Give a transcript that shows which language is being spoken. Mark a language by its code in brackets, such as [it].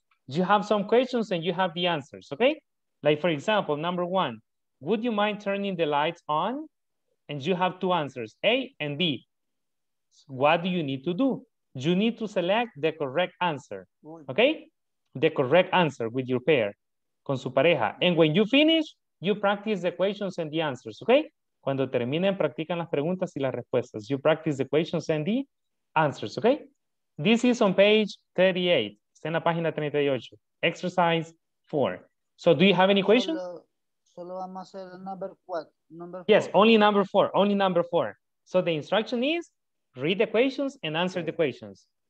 [en] You have some questions and you have the answers, okay? Like, for example, number 1, would you mind turning the lights on? And you have 2 answers, A and B. What do you need to do? You need to select the correct answer, okay? The correct answer with your pair, [es] con su pareja. [en] And when you finish, you practice the questions and the answers, okay? [es] Cuando terminen, practican las preguntas y las respuestas. [en] You practice the questions and the answers, okay? This is on page 38. [es] Está en la página 38. [en] Exercise 4. So do you have any questions? [es] Solo vamos a hacer [en] number 4. Number 4. Yes, only number 4. Only number 4. So the instruction is read the questions and answer the questions.